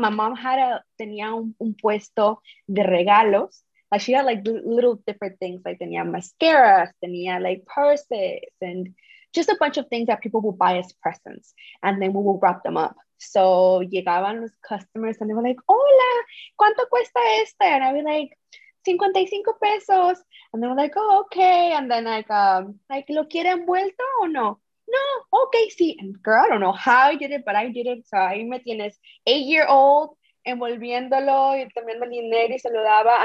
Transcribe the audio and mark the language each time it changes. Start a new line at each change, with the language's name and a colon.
English: My mom had
Spanish: tenía un puesto de regalos.
English: Like she had like little different things. Like
Spanish: tenía mascaras, tenía
English: like purses, and just a bunch of things that people will buy as presents. And then we will wrap them up. So
Spanish: llegaban los
English: customers and they were like,
Spanish: hola, ¿cuánto cuesta este?
English: And I would be like, 55 pesos. And they were like, oh, okay. And then like,
Spanish: ¿lo quiere envuelto o no? No, okay, sí.
English: And girl, I don't know how I did it, but I did it.
Spanish: So ahí me tienes 8-year-old envolviéndolo y también el dinero y se lo daba.